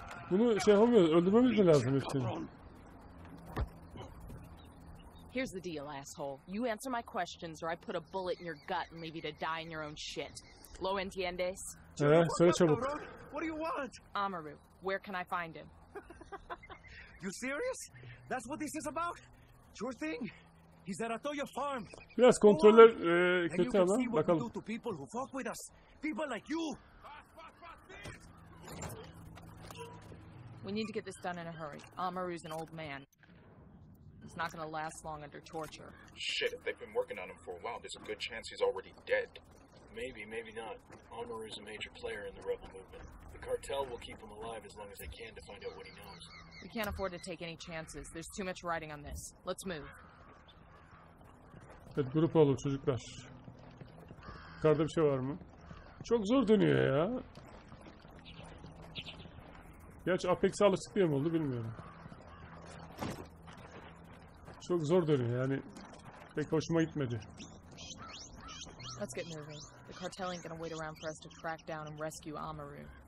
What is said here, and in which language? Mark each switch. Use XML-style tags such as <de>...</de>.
<tr>Bunu şey yapamıyoruz, öldürmemiz mi lazım işte?</tr> <en>Here's the deal, asshole. You answer my questions or I put a bullet in your gut and leave you to die in your own shit.</en> <es>Lo entiendes?</es> <tr>Söyle çabuk.</tr> <en>What do you want? Amaru, where can I find him? You serious? That's what this is about? Sure thing. He's at Atoya Farm.</en> <tr>Biraz kontroller kötü ama bakalım.</tr> <en>Do to people who fuck with us. People like you. We need to get this done in a hurry. Amaru's an old man. It's not gonna last long under torture. Shit, if they've been working on him for a while, there's a good chance he's already dead. Maybe, maybe not. Honor is a major player in the rebel movement. The cartel will keep him alive as long as they can to find out what he knows. We can't afford to take any chances. There's too much riding on this. Let's move.</en> <tr>Evet, grup olun çocuklar. Yukarıda bir şey var mı? Çok zor dönüyor ya. Gerçi Apex'e alıştık diye mi oldu bilmiyorum. Çok zor dönüyor yani pek hoşuma gitmedi.</tr> <en>Let's get moving. The cartel ain't gonna wait around for us to track down and rescue Amaru.</en>